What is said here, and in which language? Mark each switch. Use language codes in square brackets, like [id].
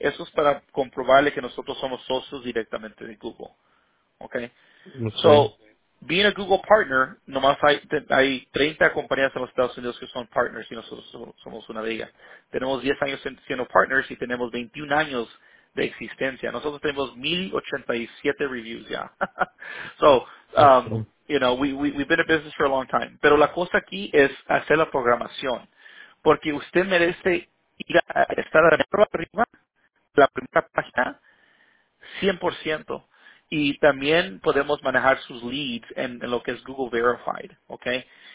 [es] Eso es para comprobarle que nosotros somos socios directamente de Google, okay. [en] Okay. So, being a Google partner, [es] nomás hay 30 compañías en los Estados Unidos que son partners y nosotros somos una de ellas. Tenemos 10 años siendo partners y tenemos 21 años de existencia. Nosotros tenemos 1,087 reviews ya. [en] So, you know, we've been in business for a long time. [es] Pero la cosa aquí es hacer la programación. Porque usted merece ir a estar arriba, la primera página, 100%. Y también podemos manejar sus leads en lo que es Google Verified, okay?